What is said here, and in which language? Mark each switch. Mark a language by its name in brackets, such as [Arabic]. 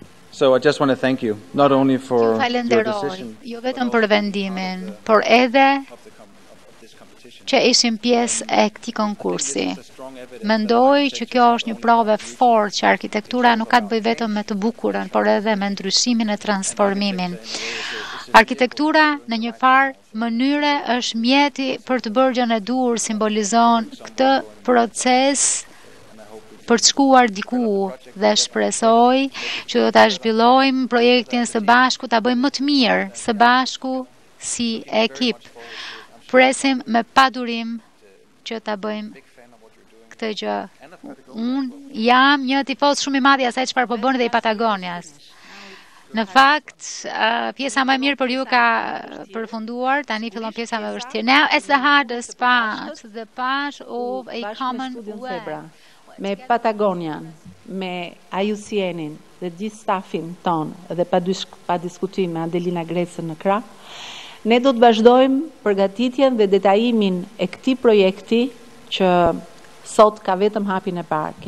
[English] So I just want to thank you, not only for your decision, [Albanian] jo vetëm për vendimin, por edhe që ishim pjesë e këtij konkursi. Mendoj që kjo është një provë fort që arkitektura nuk ka të bëjë vetëm me të bukurën, por edhe me ndryshimin e transformimin. Arkitektura në një farë mënyre është mjeti për të bërë gjën e dur, simbolizon këtë proces për të shkuar diku dhe shpresoj që do ta zhvillojmë projektin së bashku, ta bëjmë më të mirë së bashku si ekip. Presim me padurim që ta bëjmë këtë gjë. Unë jam një tifoz shumë i madh i asaj çfarë po bën dhe i Patagonias. Në fakt, pjesa më e mirë për ju ka përfunduar, tani fillon pjesa më e vështirë. [English] Now it's the hardest part, the part of a common web. [Albanian] Me Patagonian, me IUCN-in dhe gjithë stafin tonë dhe pa diskutim me Adelina Gresën në krah, ne do të vazhdojmë përgatitjen dhe detajimin e këtij projekti që sot ka vetëm hapin e parë.